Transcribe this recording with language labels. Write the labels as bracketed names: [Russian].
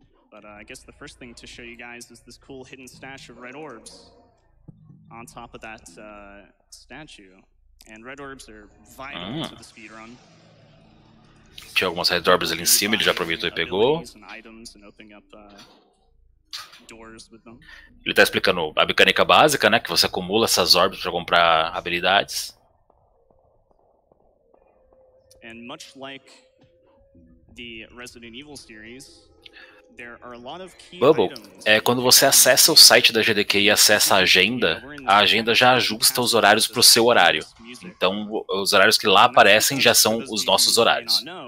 [English] But I guess the first thing to show you guys is this cool hidden stash of red orbs on top of that statue. And red orbs are vital to the speedrun. [Portuguese] Tinha algumas red orbs ali em cima, ele já aproveitou e pegou. [English] And items and opening up, doors with them. [Portuguese] Ele tá explicando a mecânica básica, né? Que você acumula essas orbs para comprar habilidades. [English] And much like the Resident Evil series, there are a lot of key [Portuguese] Bubble, é quando você acessa o site da GDQ e acessa a agenda já ajusta os horários para o seu horário. Então, os horários que lá aparecem já são os nossos horários.